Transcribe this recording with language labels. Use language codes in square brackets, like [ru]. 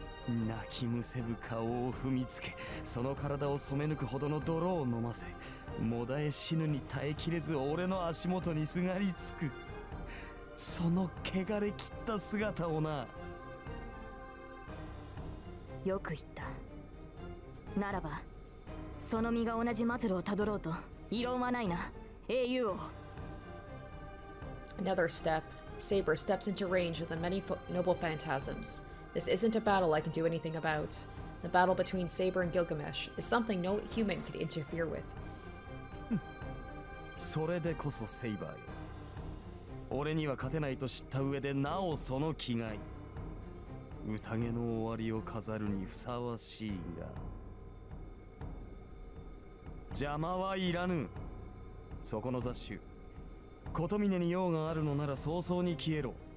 [ja] 泣きむせぶ顔を踏みつけ、その体を染め抜くほどの泥を飲ませ、もだえ死ぬに耐えきれず俺の足元にすがりつく。その汚れ切った姿をな。よく言った。ならば、その身が同じ末路をたどろうと、異論はないな、英雄を。 [en] Another step. Saber steps into range of the many noble phantasms. This isn't a battle I can do anything about. The battle between Saber and Gilgamesh is something no human could interfere with. [ja] それでこそセイバーよ。俺には勝てないと知った上でなおその気概。宴の終わりを飾るにふさわしいが。邪魔はいらぬ。そこの雑種。琴峰に用があるのなら早々に消えろ。